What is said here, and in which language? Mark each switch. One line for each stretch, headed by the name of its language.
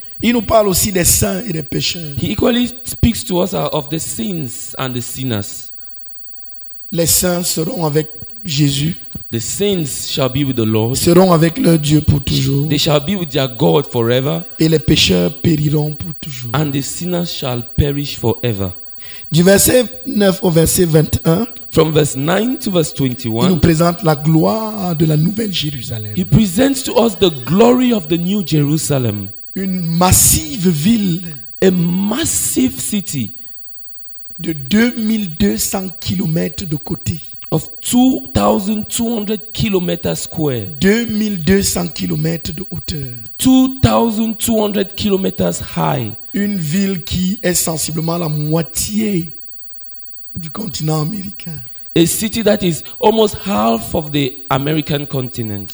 French: Il nous parle aussi des saints et des pécheurs.
English: He equally speaks to us of the saints and the sinners.
French: Les saints seront avec Jésus.
English: The saints shall be with the Lord.
French: Seront avec leur Dieu pour toujours.
English: They shall be with their God forever.
French: Et les pécheurs périront pour toujours.
English: And the sinners shall perish forever.
French: Du verset 9 au verset 21.
English: From verse 9 to verse 21.
French: Il nous présente la gloire de la nouvelle Jérusalem.
English: He presents to us the glory of the new Jerusalem.
French: Une massive ville.
English: A massive city.
French: de 2200 kilomètres de côté.
English: Of 2200 kilometers square.
French: 2200 kilomètres de hauteur.
English: 2200 kilometers high.
French: Une ville qui est sensiblement la moitié du continent américain.
English: A city that is almost half of the American continent.